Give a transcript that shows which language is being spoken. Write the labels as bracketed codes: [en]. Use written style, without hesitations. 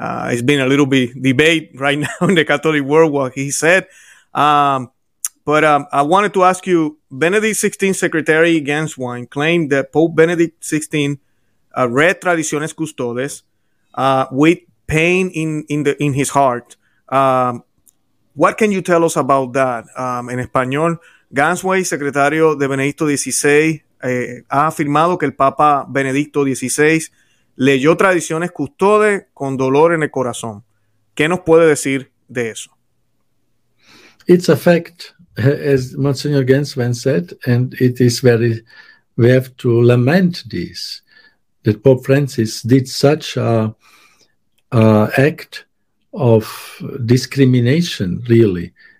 [en] It's been a little bit debate right now in the Catholic world what he said. I wanted to ask you, Benedict XVI secretary Ganswine claimed that Pope Benedict XVI read Tradiciones Custodes with pain in his heart. What can you tell us about that? [es] En español, Ganswine, secretario de Benedicto XVI, ha afirmado que el Papa Benedicto XVI leyó Tradiciones Custodes con dolor en el corazón. ¿Qué nos puede decir de eso? [en] It's a fact, as Monsignor Gensven said, and it is very, we have to lament this, that Pope Francis did such an act of discrimination, really,